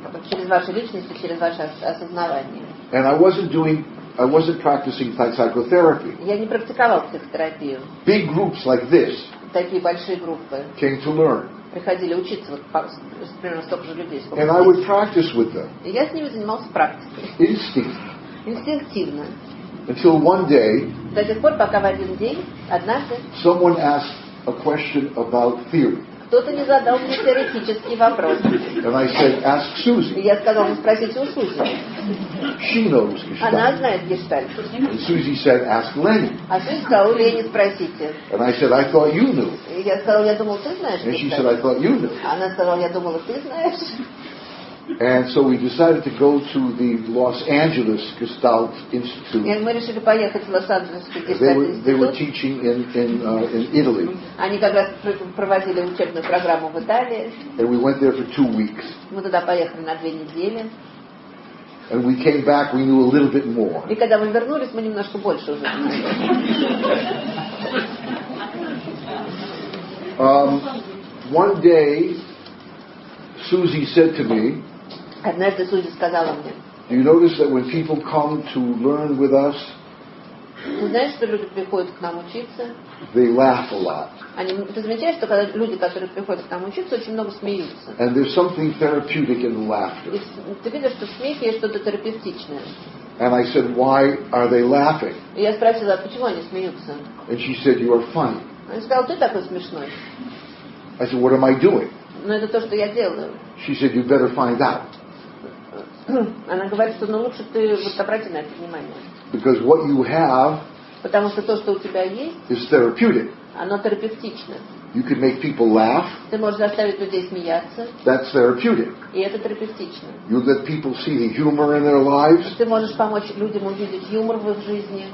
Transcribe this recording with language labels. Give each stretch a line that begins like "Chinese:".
Russian: Через ваши личности, через ваше осознавание.
English: And I wasn't practicing psychotherapy.
Russian: Я не практиковал психотерапию.
English: Big groups like this.
Russian: Такие большие группы.
English: Came to learn.
Russian: Приходили учиться вот примерно столько же людей.
English: And I would practice with them.
Russian: И я с ними занимался практикой. Инстинктивно.
English: Until one day.
Russian: До тех пор, пока в один день, однажды.
English: Someone asked a question about theory.
Russian: Кто-то не задал мне теоретический вопрос.
English: And I said, ask Susie.
Russian: И я сказал, спросите у Сузи.
English: She knows Gestalt.
Russian: Она знает Гештальт.
English: And Susie said, ask Lenny.
Russian: А Сузи сказала, у Лени спросите.
English: And I said, I thought you knew.
Russian: И я сказал, я думал, ты знаешь.
English: And she said, I thought you knew.
Russian: Она сказала, я думала, ты знаешь.
English: And so we decided to go to the Los Angeles Gestalt Institute.
Russian: И мы решили поехать в Лос-Анджелес Гештальт Институт.
English: They were teaching in Italy.
Russian: Они как раз проводили учебную программу в Италии.
English: And we went there for 2 weeks.
Russian: Мы туда поехали на 2 недели.
English: And we came back, we knew a little bit more.
Russian: И когда мы вернулись, мы немножко больше уже знали.
English: One day, Susie said to me.
Russian: Однажды Сузи сказала мне.
English: Do you notice that when people come to learn with us?
Russian: Ты знаешь, что люди приходят к нам учиться?
English: They laugh a lot.
Russian: Они, ты замечаешь, что когда люди, которые приходят к нам учиться, очень много смеются.
English: And there's something therapeutic in the laughter.
Russian: И, ты видишь, что в смехе есть что-то терапевтичное.
English: And I said, why are they laughing?
Russian: И я спросила, почему они смеются?
English: And she said, you are funny.
Russian: Она сказала, ты такой смешной.
English: I said, what am I doing?
Russian: Но это то, что я делаю.
English: She said, you better find out.
Russian: Она говорит, что ну, лучше ты вот обрати на это внимание.
English: Because what you have.
Russian: Потому что то, что у тебя есть.
English: Is therapeutic.
Russian: Оно терапевтично.
English: You can make people laugh.
Russian: Ты можешь заставить людей смеяться.
English: That's therapeutic.
Russian: И это терапевтично.
English: You let people see the humor in their lives.
Russian: Ты можешь помочь людям увидеть юмор в их жизни.